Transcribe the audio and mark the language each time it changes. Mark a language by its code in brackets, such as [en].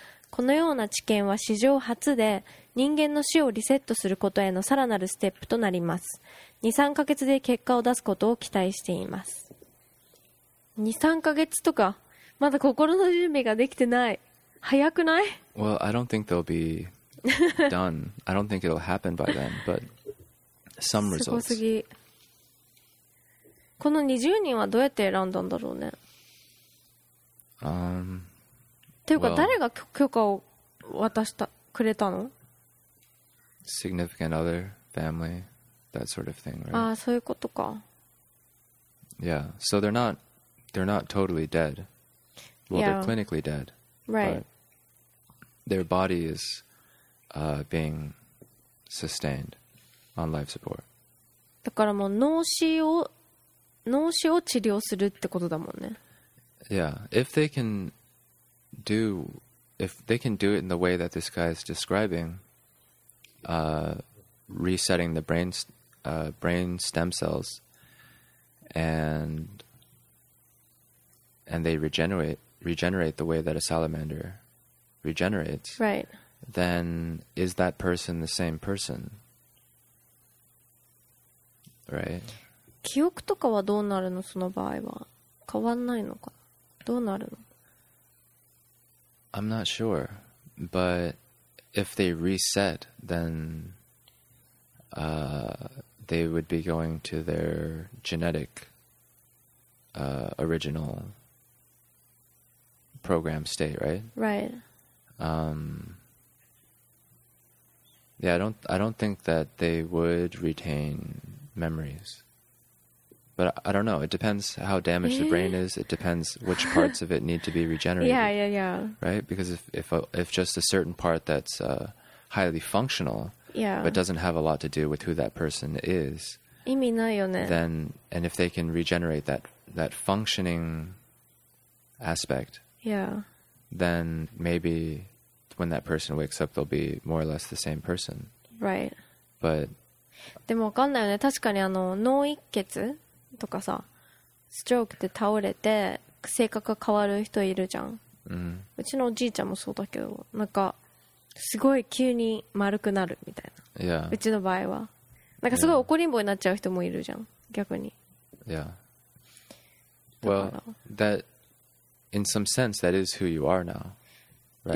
[ja] このような治験は史上初で、人間の死をリセットすることへのさらなるステップとなります。 2,3 ヶ月で結果を出すことを期待しています。2,3 ヶ月とか、まだ心の準備ができてない。早くない？ [en] Well, I don't think they'll be done. I don't think it'll happen by then, but some results. [ja] すごすぎ。この20人はどうやって選んだんだろうね。ていうか、誰が許可を渡したくれたの？ [en] Significant other, family, that sort of thing, right? [ja] ああ、そういうことか。 [en] Yeah, so they're not totally dead. Well, they're clinically dead. Right. Their body is being sustained on life support. [ja] だからもう脳死を治療するってことだもんね。 [en] Yeah, if they can do, if they can do it in the way that this guy is describing, resetting the brain's brain stem cells, and they regenerate the way that a salamander regenerates, right, then is that person the same person? Right. [ja] 記憶とかはどうなるの？その場合は変わんないのか？どうなるの？ [en] I'm not sure, but if they reset, then they would be going to their genetic original program state, right? Right. Yeah, I don't think that they would retain memories. But I don't know. It depends how damaged the brain is. It depends which parts of it need to be regenerated. Yeah. Right? Because if just a certain part that's highly functional, yeah, but doesn't have a lot to do with who that person is, [ja] 意味ないよね。 [en] Then, and if they can regenerate that functioning aspect, yeah, then maybe when that person wakes up, they'll be more or less the same person. Right. But... [ja] でも分かんないよね。確かにあの脳一血とかさ、ストロークで倒れて性格が変わる人いるじゃん、うん、うちのおじいちゃんもそうだけど、なんかすごい急に丸くなるみたいな、 [en] yeah. [ja] うちの場合はなんかすごい怒りんぼになっちゃう人もいるじゃん、逆に、 [en] yeah. Well, that in some sense that is who you are now, right?